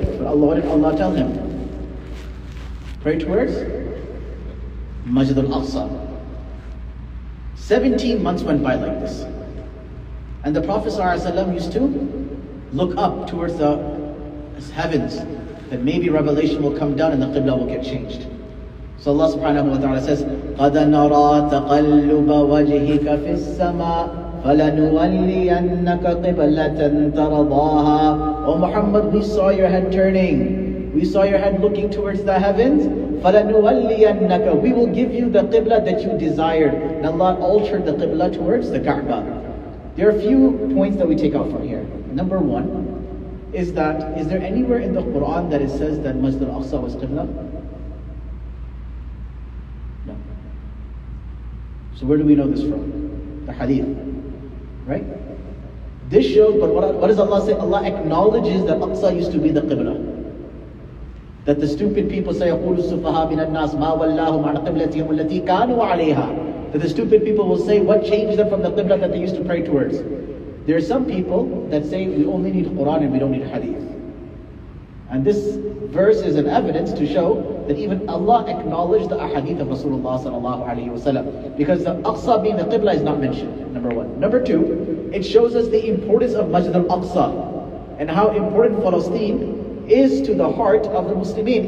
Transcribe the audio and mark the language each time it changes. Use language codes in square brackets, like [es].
[en] But Allah, what did Allah tell him? Pray towards Masjid al-Aqsa. 17 months went by like this. And the Prophet ﷺ used to look up towards the heavens that maybe revelation will come down and the Qibla will get changed. So Allah subhanahu wa ta'ala says, [ar] قَدَ نَرَى تَقَلُّبَ وَجْهِكَ فِي السَّمَاءِ فَلَنُوَلِّيَنَّكَ قِبْلَةً تَرَضَاهَا. [en] Oh Muhammad, we saw your head turning. We saw your head looking towards the heavens. [ar] فَلَنُوَلِّيَنَّكَ. [en] We will give you the Qibla that you desired. And Allah altered the Qibla towards the Kaaba. There are a few points that we take out from here. Number one is that, is there anywhere in the Quran that it says that Masjid al-Aqsa was Qibla? No. So where do we know this from? The Hadith, right? This shows, but what does Allah say? Allah acknowledges that Aqsa used to be the Qibla. That the stupid people say, [ar] يَقُولُ السُّفَهَا مِنَ النَّاسِ مَا وَلَّاهُمْ عَنْ قِبْلَتِهِمُ الَّتِي كَانُوا عَلَيْهَا. [en] That the stupid people will say, what changed them from the Qibla that they used to pray towards? There are some people that say, we only need Quran and we don't need Hadith. And this verse is an evidence to show that even Allah acknowledged the Ahadith of Rasulullah sallallahu alayhi wa sallam. Because the Aqsa being the Qibla is not mentioned, number one. Number two, it shows us the importance of Masjid al-Aqsa and how important Palestine is to the heart of the Muslimin.